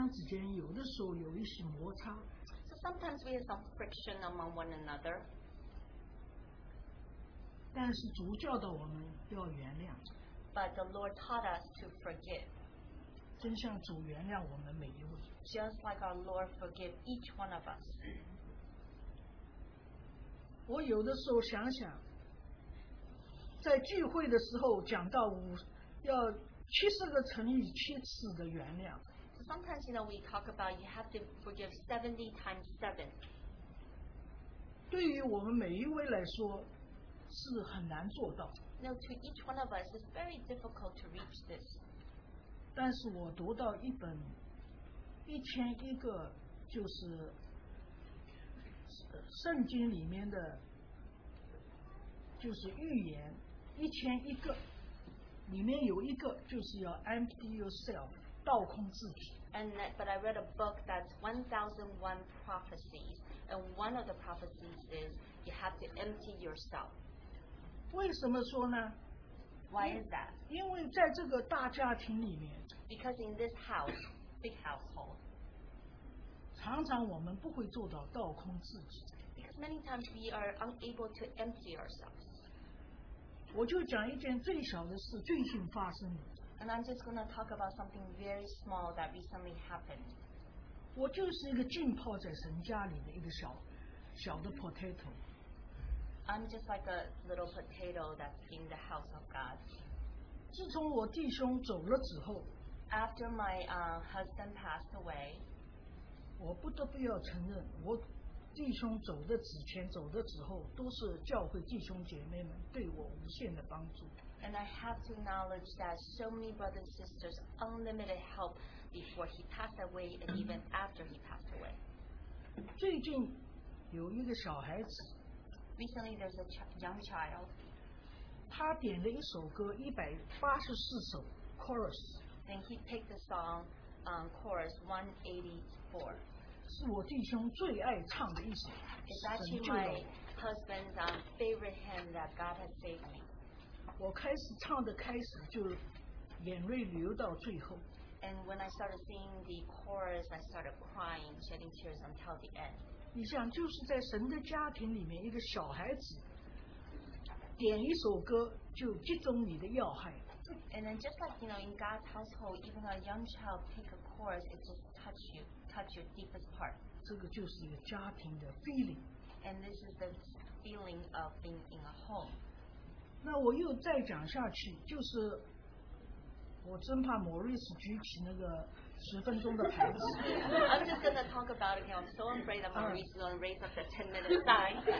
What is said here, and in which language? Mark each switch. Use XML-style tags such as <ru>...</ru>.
<zh>我们互相之间有的时候有一些摩擦,</zh> <en>so sometimes we have some friction among one another.</en> <zh>但是主教导我们要原谅,</zh> <en>but the Lord taught us to forgive.</en> <zh>真像主原谅我们每一位,</zh> <en>just like our Lord forgive each one of us.</en> <zh>我有的时候想想, 在聚会的时候讲到五, 要70个乘以7次的原谅,</zh> <en>so sometimes you know we talk about you have to forgive 70 times 7.</en> <zh>对于我们每一位来说,</zh> <en>now, to each one of us, it's very difficult to reach this.</en> <zh>但是我读到一本, 一千一个就是, 圣经里面的, 就是预言, 一千一个, 里面有一个就是要</zh> <en>empty yourself,</en> <zh>倒空自己。</zh> <en>But I read a book that's 1001 prophecies, and one of the prophecies is you have to empty yourself.</en> <zh>为什么说呢?</zh> <en>Why is that?</en> <zh>因为在这个大家庭里面,</zh> <en>because in this house, big household,</en> <zh>常常我们不会做到倒空自己。</zh> <en>Because many times we are unable to empty ourselves.</en> <zh>我就讲一件最小的事，最近发生的。</zh> <en>And I'm just going to talk about something very small that recently happened.</en> <zh>我就是一个浸泡在神家里的一个小小的 potato.</zh> <en>I'm just like a little potato that's in the house of God.</en> <zh>自从我弟兄走了之后，</zh> <en>After my husband passed away,</en> <zh>我不得不要承认，我弟兄走的之前，走的之后，都是教会弟兄姐妹们对我无限的帮助。</zh> <en>And I have to acknowledge that so many brothers and sisters unlimited help before he passed away and even after he passed away.</en> <zh>最近有一个小孩子，</zh> <en>Recently there's a young child.</en> <zh>他点了一首歌184首 chorus.</zh> <en>Then he picked the song chorus 184.</en> <zh>是我弟兄最爱唱的一首。</zh> <en>It's actually my husband's favorite hymn that God has saved me.</en> <zh>我开始唱的开始就眼泪流到最后。</zh> <en>And when I started singing the chorus, I started crying, shedding tears until the end.</en> <zh>你想，就是在神的家庭里面，一个小孩子点一首歌就击中你的要害。</zh> <en>And then just like, you know, in God's household, even a young child pick a chorus, it just touch you, touch your deepest part.</en> <zh>这个就是一个家庭的 feeling.</zh> <en>And this is the feeling of being in a home.</en> <zh>那我又再讲下去，就是我真怕莫瑞斯举起那个十分钟的牌子。</zh> <en>I'm just gonna talk about it. I'm so afraid that Maurice is gonna raise up the 10-minute sign.</en>